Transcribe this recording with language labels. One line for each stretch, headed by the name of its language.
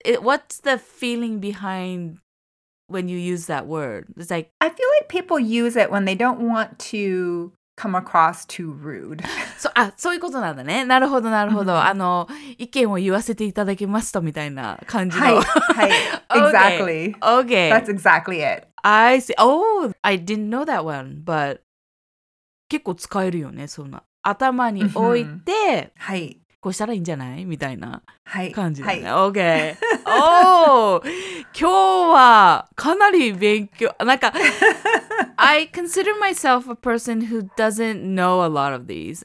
English: What's the feeling behind when you use that word? It's like I feel like people use it when they don't want to come across too rude. So ah, so
Japanese: いうことなんだね。なるほどなるほど。あの意見を言わせていただけますとみたいな感じの。はいはい。
English: Exactly. Okay. That's exactly it. I see. Oh, I didn't know that one, but
Japanese: 結構使えるよね。そんな頭に置いて、はい。こうしたらいいんじゃないみたいな感じだね。はいはい、
English: okay.
Japanese: Oh, 今日はかなり勉強。なんか。
English: I consider myself a person who doesn't know a lot of these.